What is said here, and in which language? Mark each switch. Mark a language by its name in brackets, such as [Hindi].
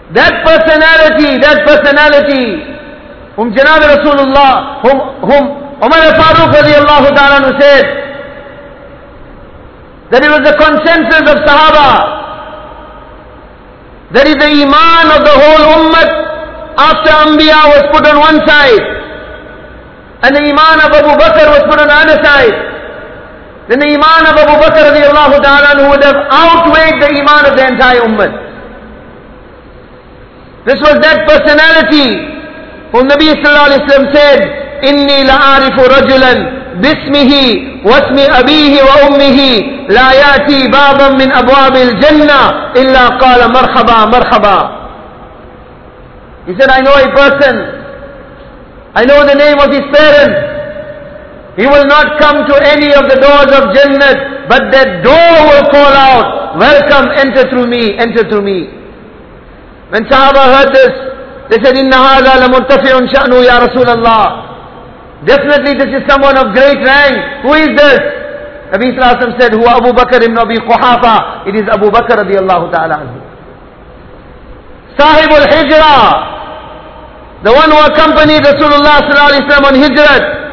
[English] That personality, whom Janab Rasulullah, whom Umar Farooq radiallahu ta'ala who said that it was the consensus of Sahaba that if the iman of the whole ummah after Anbiya was put on one side and the iman of Abu Bakr was put on the other side, then the iman of Abu Bakr radiallahu ta'ala who would have outweighed the iman of the entire ummah. This was that personality whom Nabi sallallahu alayhi wa sallam said, [Arabic] إني لأعرف رجلا باسمه واسم أبيه وأمه لا يأتي بابا من أبواب الجنة إلا قال مرحبا مرحبا. [English] He said, I know a person, I know the name of his parents, he will not come to any of the doors of Jannat but that door will call out, welcome, enter through me, enter through me. When Sahaba heard this, they said, [Arabic] إن هذا لمرتفع شأنه يا رسول الله. [English] Definitely this is someone of great rank. Who is this? Nabi Sallallahu Alaihi Wasallam said, Huwa Abu Bakr ibn Abi Quhafa. It is Abu Bakr radiallahu ta'ala anhu. [Arabic] صاحب الحجرة, [English] the one who accompanied Rasulullah sallallahu alayhi wa sallam on hijrat.